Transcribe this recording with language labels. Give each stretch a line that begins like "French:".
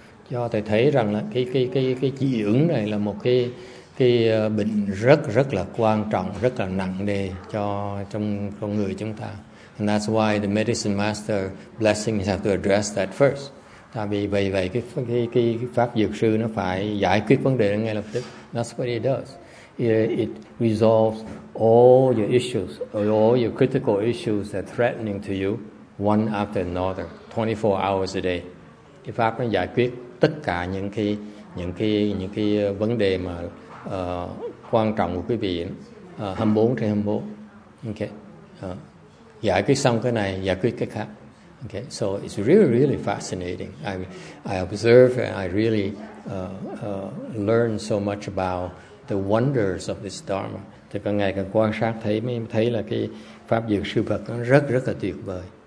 Vietnamese: Cho thầy thấy rằng là cái dị ứng này là một cái bệnh rất rất là quan trọng, rất là nặng nề cho trong con người chúng ta.
English: And that's why the medicine master blessings have to address that first.
Vietnamese: Tại vì vậy vậy cái pháp dược sư nó phải giải quyết vấn đề ngay lập tức.
English: That's what it does. It resolves all your issues, all your critical issues that are threatening to you, one after another, 24 hours a day.
Vietnamese: Cái pháp nó giải quyết tất cả những cái vấn đề mà quan trọng của quý vị 24/24. Okay. Giải quyết xong cái này, giải quyết cái khác.
English: Okay. So it's really, really fascinating. I observe and I really learn so much about the wonders of this Dharma.
Vietnamese: Thì càng ngày càng quan sát thấy mới thấy là cái pháp dược sư Phật nó rất rất là tuyệt vời.